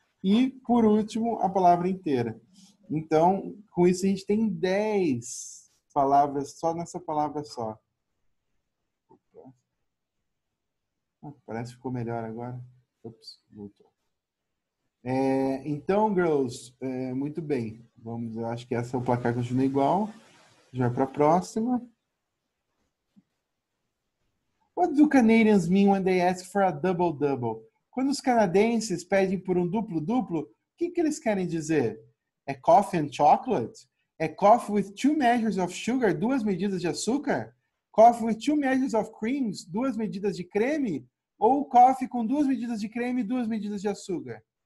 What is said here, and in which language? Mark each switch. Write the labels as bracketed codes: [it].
[pt] E, por último, a palavra inteira. Então, com isso, a gente tem 10 palavras só nessa palavra só. Opa. Parece que ficou melhor agora. Ups, voltou. É, então, girls, muito bem. Vamos, eu acho que essa é o placar que continua igual. Já para a próxima. [en] What do Canadians mean when they ask for a double-double? [pt] Quando os canadenses pedem por um duplo-duplo, o que, que eles querem dizer? [en] É coffee and chocolate? É coffee with two measures of sugar, [pt] duas medidas de açúcar? [en] Coffee with two measures of creams, [pt] duas medidas de creme? Ou coffee com duas medidas de creme e duas medidas de açúcar?